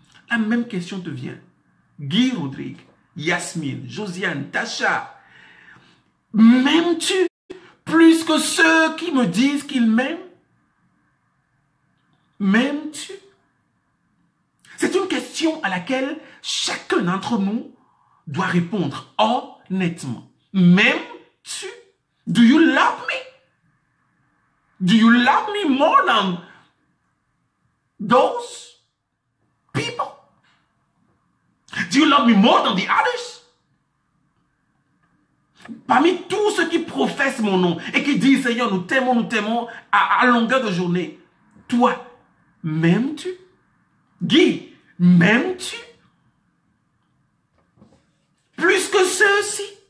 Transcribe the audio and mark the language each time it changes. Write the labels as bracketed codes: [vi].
[fr] La même question te vient. Guy Rodrigue, Yasmine, Josiane, Tasha, m'aimes-tu plus que ceux qui me disent qu'ils m'aiment? M'aimes-tu? C'est une question à laquelle chacun d'entre nous doit répondre honnêtement. M'aimes-tu? [en] Do you love me? Do you love me more than those people? Do you love me more than the others? [fr] Parmi tous ceux qui professent mon nom et qui disent, Seigneur, nous t'aimons à longueur de journée, toi, m'aimes-tu? Guy, m'aimes-tu? Plus que ceux-ci?